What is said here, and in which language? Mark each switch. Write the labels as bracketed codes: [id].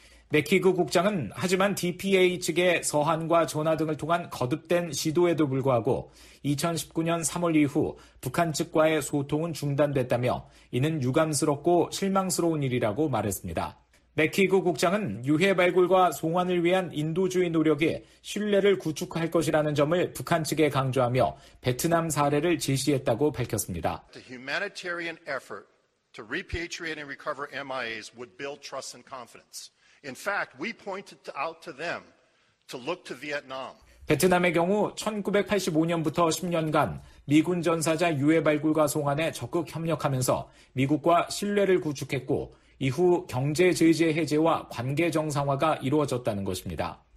[ko] 맥퀴그 국장은 하지만 DPA 측의 서한과 전화 등을 통한 거듭된 시도에도 불구하고 2019년 3월 이후 북한 측과의 소통은 중단됐다며 이는 유감스럽고 실망스러운 일이라고 말했습니다. 맥퀴그 국장은 유해 발굴과 송환을 위한 인도주의 노력이 신뢰를 구축할 것이라는 점을 북한 측에 강조하며 베트남 사례를 제시했다고 밝혔습니다. [en] The humanitarian effort to repatriate and recover MIAs would build trust and confidence. In fact, we pointed out to them to look to Vietnam. [ko] 베트남의 경우 1985년부터 10년간 미군 전사자 유해 발굴과 송환에 적극 협력하면서 미국과 신뢰를 구축했고 이후 경제 제재 해제와 관계 정상화가 이루어졌다는 것입니다.